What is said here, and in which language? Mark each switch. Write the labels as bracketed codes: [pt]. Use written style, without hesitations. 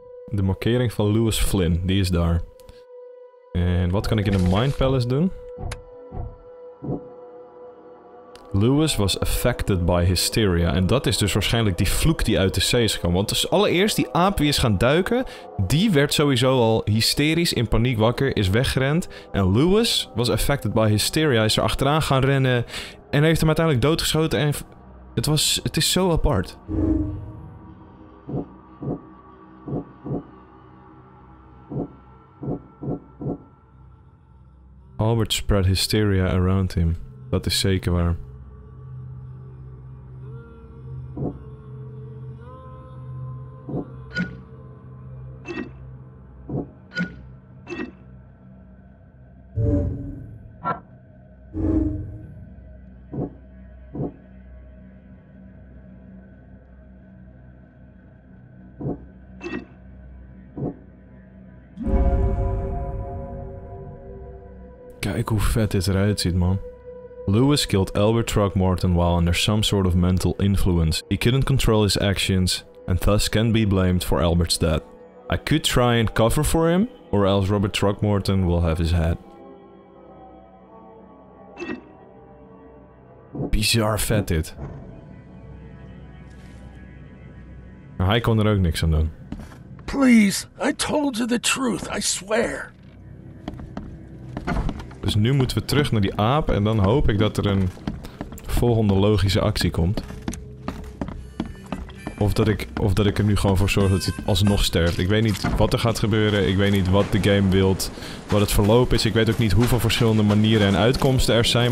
[nl] De markering van Lewis Flynn, die is daar. En wat kan ik in de Mind Palace doen? [en] Lewis was affected by hysteria. [nl] En dat is dus waarschijnlijk die vloek die uit de zee is gekomen. Want dus allereerst die aap die is gaan duiken, die werd sowieso al hysterisch in paniek wakker, is weggerend. En [en] Lewis was affected by hysteria, [nl] is er achteraan gaan rennen en heeft hem uiteindelijk doodgeschoten. En het is zo apart. [en] Albert spread hysteria around him. [nl] Dat is zeker waar. Kijk hoe vet dit eruit ziet, man. [en] Lewis killed Albert Throgmorton while under some sort of mental influence. He couldn't control his actions and thus can be blamed for Albert's death. I could try and cover for him, or else Robert Throgmorton will have his head. [nl] Bizar vet dit. Maar hij kon er ook niks aan doen. [en] Please, I told you the truth, I swear. [nl] Dus nu moeten we terug naar die aap en dan hoop ik dat er een volgende logische actie komt. Of dat ik er nu gewoon voor zorg dat hij alsnog sterft. Ik weet niet wat er gaat gebeuren. Ik weet niet wat de game wil. Wat het verloop is. Ik weet ook niet hoeveel verschillende manieren en uitkomsten er zijn.